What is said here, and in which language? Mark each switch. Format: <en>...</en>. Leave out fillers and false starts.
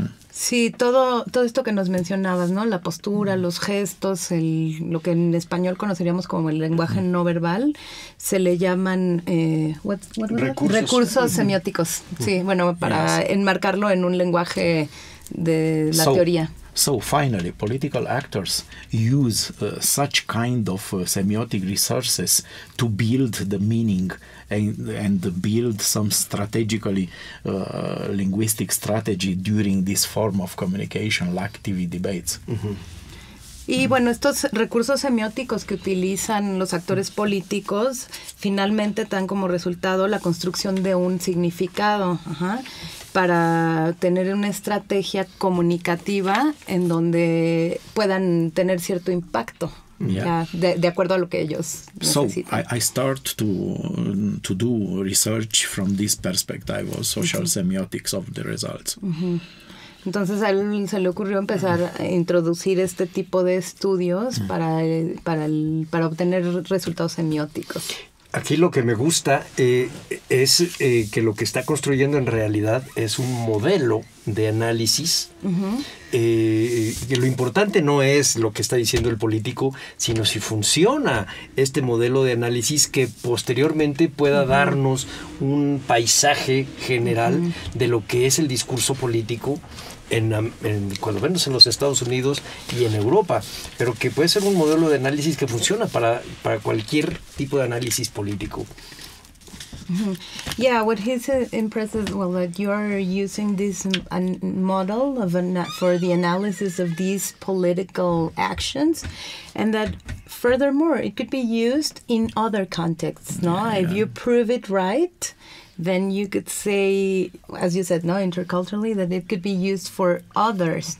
<es>Sí, todo esto que nos mencionabas, ¿no? La postura, los gestos, lo que en español conoceríamos como el lenguaje no verbal, se le llaman recursos semióticos. Sí, bueno, para enmarcarlo en un lenguaje de la teoría.</es> <en>So finally, political actors use such kind of semiotic resources to build the meaning and build some strategically linguistic strategy during this form of communication, like TV debates.</en> <es>Y bueno, estos recursos semióticos que utilizan los actores políticos finalmente dan como resultado la construcción de un significado para tener una estrategia comunicativa en donde puedan tener cierto impacto. De acuerdo a lo que ellos necesitan.</es> <en>So I start to do research from this perspective of social semiotics of the results.</en> <es>Entonces a él se le ocurrió empezar a introducir este tipo de estudios para obtener resultados semióticos. Aquí lo que me gusta es que lo que está construyendo en realidad es un modelo de análisis. Que lo importante no es lo que está diciendo el político, sino si funciona este modelo de análisis que posteriormente pueda darnos un paisaje general de lo que es el discurso político en cuando menos en los Estados Unidos y en Europa, pero que puede ser un modelo de análisis que funciona para cualquier tipo de análisis político. Mm-hmm.</es> <en>Yeah, what he's impressed well that you are using this model of for the analysis of these political actions, and that furthermore it could be used in other contexts. No, yeah, yeah. If you prove it right, then you could say, as you said, no, interculturally, that it could be used for others.</en>